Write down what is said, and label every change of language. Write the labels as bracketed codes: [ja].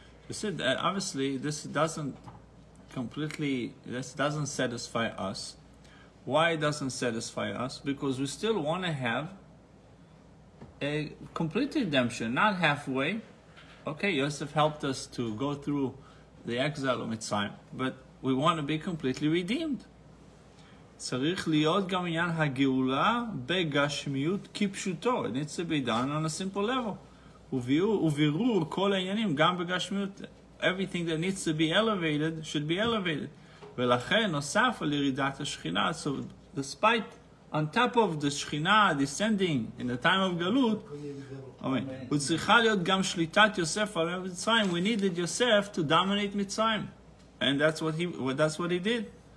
[en] You said that obviously this doesn't satisfy us. Why it doesn't satisfy us? Because we still want to have a complete redemption, not halfway. Okay, Yosef helped us to go through the exile of Mitzrayim, but we want to be completely redeemed. [he] צריך להיות גם עניין הגאולה בגשמיות כפשוטו. [en] It needs to be done on a simple level. [he] ובירור כל העניינים גם בגשמיות. [en] Everything that needs to be elevated should be elevated. So despite, on top of the Shechina descending in the time of Galut, Amen. We needed Yosef to dominate Mitzrayim. And that's what he did.